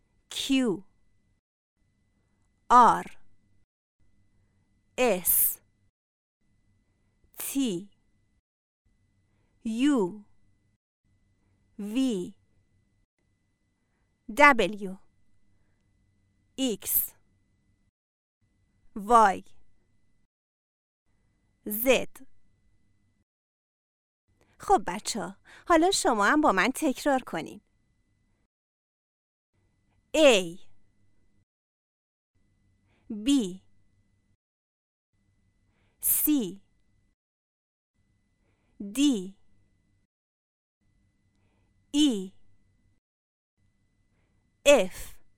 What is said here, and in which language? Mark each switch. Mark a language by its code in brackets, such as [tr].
[en] Q R S T U V W X Y Z. [fa] خب بچه، حالا شما هم با من تکرار کنین. [en] A B C D E F